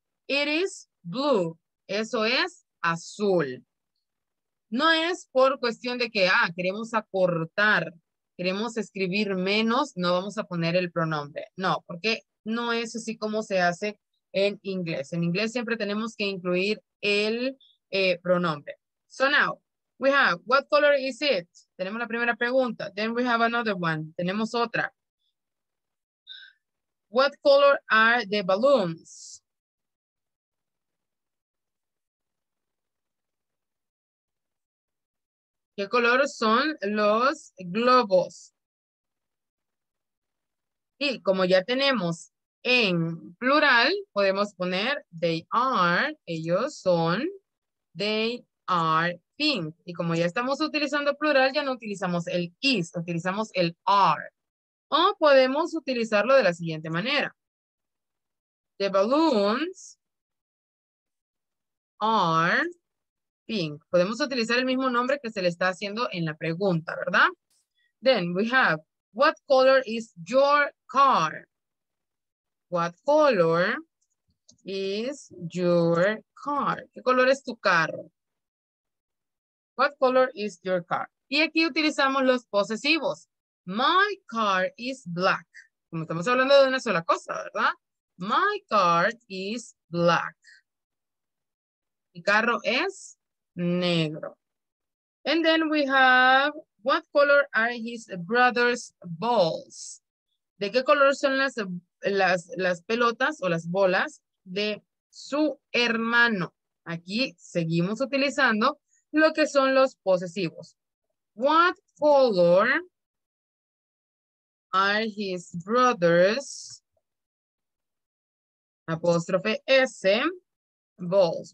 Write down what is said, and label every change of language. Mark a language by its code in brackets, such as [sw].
[en] It is blue. [es] Eso es azul. No es por cuestión de que, queremos acortar, queremos escribir menos, no vamos a poner el pronombre. No, porque no es así como se hace en inglés. En inglés siempre tenemos que incluir el pronombre. [en] So now, we have, what color is it? [es] Tenemos la primera pregunta. [en] Then we have another one. [es] Tenemos otra. [en] What color are the balloons? [es] ¿Qué color son los globos? Y como ya tenemos en plural, podemos poner they are, ellos son, [en] they are pink. [es] Y como ya estamos utilizando plural, ya no utilizamos el is, utilizamos el are. O podemos utilizarlo de la siguiente manera. [en] The balloons are pink. [es] Podemos utilizar el mismo nombre que se le está haciendo en la pregunta, ¿verdad? [en] Then we have, what color is your car? What color is your car? [es] ¿Qué color es tu carro? [en] What color is your car? [es] Y aquí utilizamos los posesivos. [en] My car is black. [es] Como estamos hablando de una sola cosa, ¿verdad? [en] My car is black. [es] Mi carro es negro. [en] And then we have, what color are his brother's balls? [es] ¿De qué color son las pelotas o las bolas de su hermano? Aquí seguimos utilizando lo que son los posesivos. [en] What color are his brother's apóstrofe S balls?